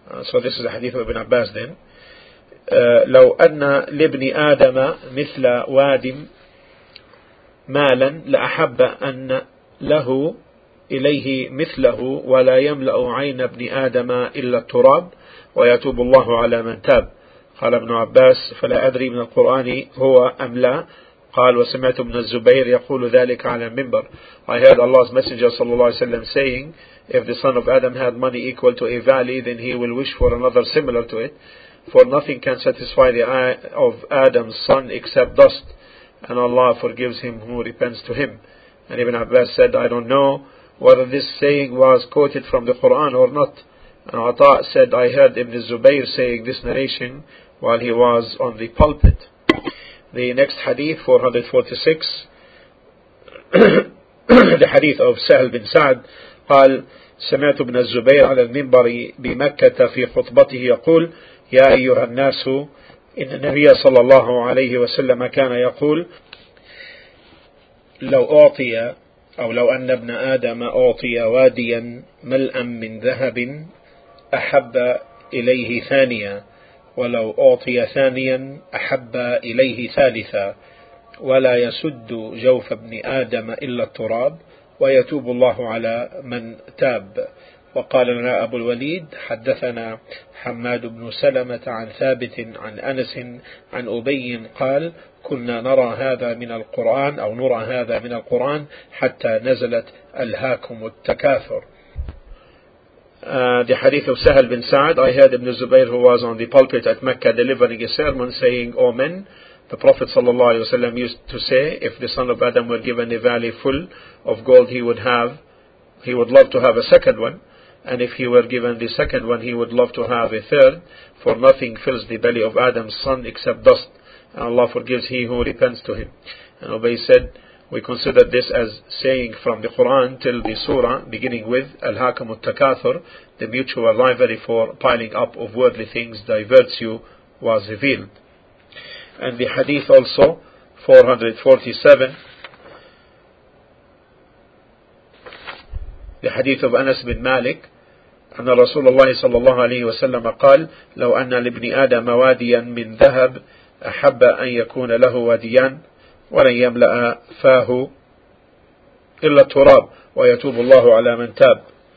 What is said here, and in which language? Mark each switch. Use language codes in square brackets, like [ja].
[en] so this is the hadith of Ibn Abbas then, [ar] لو أن لابن آدم مثل وادم مالا لأحب أن له إليه مثله ولا يملأ عين ابن آدم إلا التراب ويتوب الله على من تاب. قال ابن عباس فلا أدري من القرآن هو أم لا. قال وسمعت ابن الزبير يقول ذلك على المنبر. [en] I heard Allah's Messenger [ar] صلى الله عليه وسلم [en] saying, if the son of Adam had money equal to a valley, then he will wish for another similar to it, for nothing can satisfy the eye of Adam's son except dust, and Allah forgives him who repents to him. And Ibn Abbas said, I don't know whether this saying was quoted from the Quran or not. And Ata' said, I heard Ibn Zubayr saying this narration while he was on the pulpit. The next hadith, 446, the hadith of Sahl bin Sa'd, [ar] قال سمعت ابن الزبير على المنبر بمكة في خطبته يقول يا أيها الناس إن النبي صلى الله عليه وسلم كان يقول لو أعطي أو لو أن ابن آدم أعطي واديا ملأ من ذهب أحب إليه ثانيا ولو أعطي ثانيا أحب إليه ثالثا ولا يسد جوف ابن آدم إلا التراب ويتوب الله على من تاب. وقال لنا أبو الوليد حدثنا حماد بن سلمة عن ثابت عن أنس عن أبي قال كنا نرى هذا من القرآن أو نرى هذا من القرآن حتى نزلت ألهاكم التكاثر. [en] The hadith of Sahal bin Sa'd, I heard Ibn Zubayr, who was on the pulpit at Mecca delivering a sermon, saying, O men, the Prophet ﷺ used to say, if the son of Adam were given a valley full of gold, he would love to have a second one, and if he were given the second one, he would love to have a third, for nothing fills the belly of Adam's son except dust, and Allah forgives he who repents to him. And Ubay said, we consider this as saying from the Quran till the surah, beginning with Al-Hakam al-Takathur, the mutual rivalry for piling up of worldly things diverts you, was revealed. And the hadith also, 447, the hadith of Anas bin Malik, [ar] أن رسول الله صلى الله عليه وسلم قال لو أن لابن آدم واديا من ذهب أحب أن يكون له واديا ولن يملأ فاه إلا التراب ويتوب الله على من تاب.